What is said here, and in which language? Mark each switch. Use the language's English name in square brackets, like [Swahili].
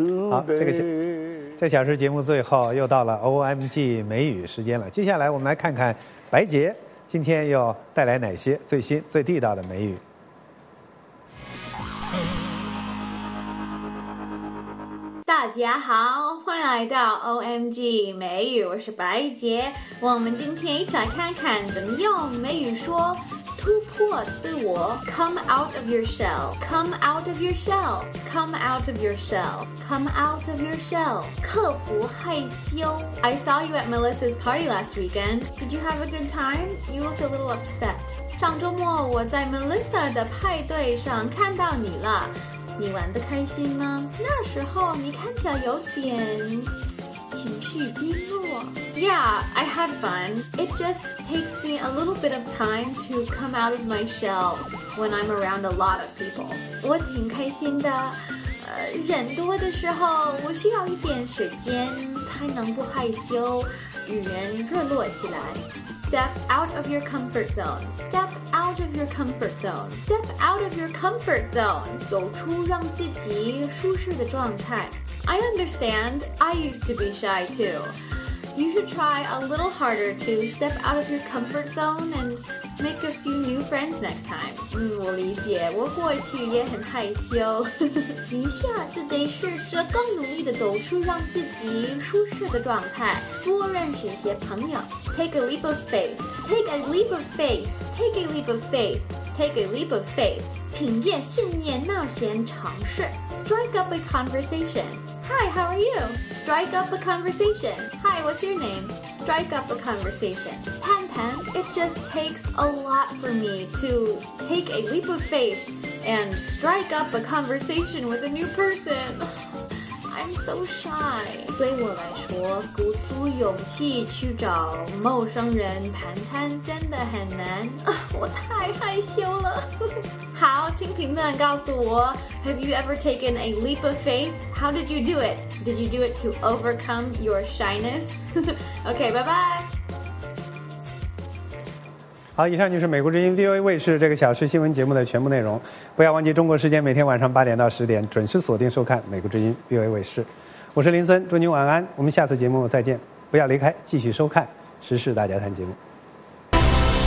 [Chinese] 好，这小时节目最后又到了 OMG 美语时间了，接下来我们来看看白洁今天又带来哪些最新最地道的美语。大家好，欢迎来到 OMG 美语，我是白杰。我们今天一起来看看怎么用美语说突破自我。 [English] Come out of your shell, come out of your shell, come out of your shell, come out of your shell. [Chinese] 克服害羞。 [English] I saw you at Melissa's party last weekend. Did you have a good time? You look a little upset. [Chinese] 上周末我在 Melissa 的派对上看到你了。你玩得开心吗？那时候你看起来有点情绪低落。 [English] Yeah, I had fun. It just takes me a little bit of time to come out of my shell when I'm around a lot of people. [Chinese] 我挺开心的，人多的时候我需要一点时间才能不害羞，与人热络起来。 [English] Step out of your comfort zone. Step out of your comfort zone. Step out of your comfort zone. [Chinese] 走出让自己舒适的状态。 [English] I understand. I used to be shy too. You should try a little harder to step out of your comfort zone and make a few new friends next time. [Chinese] 我理解，我过去也很害羞。一下子得试着更努力地走出让自己舒适的状态，多认识一些朋友。 [English] Take a leap of faith. Take a leap of faith. Take a leap of faith. Take a leap of faith. [Chinese] 凭借信念冒险尝试。 [English] Strike up a conversation. Hi, how are you? Strike up a conversation. Hi, Hi, what's your name? Strike up a conversation. [Chinese] 谈谈 [English] It just takes a lot for me to take a leap of faith and strike up a conversation with a new person. I'm so shy. [Chinese] 对我来说，鼓足勇气去找陌生人谈谈真的很难。 [English] 我太害羞了。 [Chinese] 好，请评论告诉我 [English] ，Have you ever taken a leap of faith? How did you do it? Did you do it to overcome your shyness? Okay, bye bye. [Chinese] 好，以上就是美国之音 VOA 卫视这个小时新闻节目的全部内容。不要忘记中国时间每天晚上8点到10点准时锁定收看美国之音 VOA 卫视。我是林森，祝您晚安，我们下次节目再见，不要离开，继续收看时事大家谈节目。